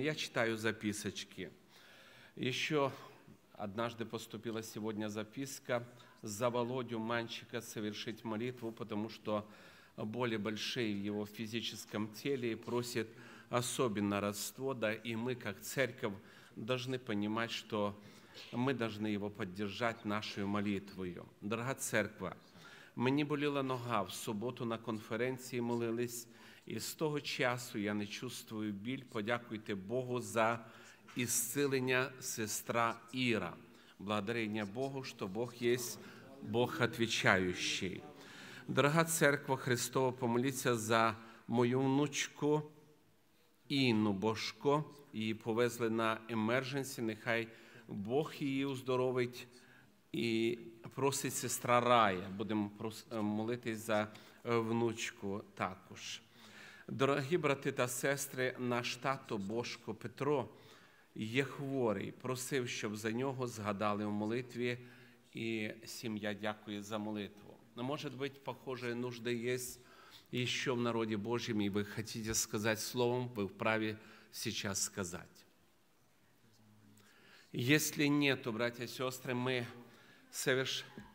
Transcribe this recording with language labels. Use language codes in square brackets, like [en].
[ru] Я читаю записочки. Еще однажды поступила сегодня записка за Володю Манчика совершить молитву, потому что боли большие в его физическом теле и просит особенно родство, да, и мы как церковь должны понимать, что мы должны его поддержать нашей молитвою. [uk] Дорога церква, мені боліла нога, в суботу на конференції молились, і з того часу я не чувствую біль, подякуйте Богу за ісцілення сестра Іра. Благодарення Богу, що Бог є Бог відвечаючий. Дорога церква Христова, помоліться за мою внучку Інну Божко, її повезли на емерженсі, нехай Бог її уздоровить і просить сестра Рая. Будемо молитись за внучку також. Дорогі брати та сестри, наш тато Божко Петро є хворий. Просив, щоб за нього згадали у молитві. І сім'я дякує за молитву. Може бути, похоже, нужди є ще в народі Божім, і ви хочете сказати словом, ви вправі зараз сказати. [ru] Если нету, братья и сестры, мы совершим...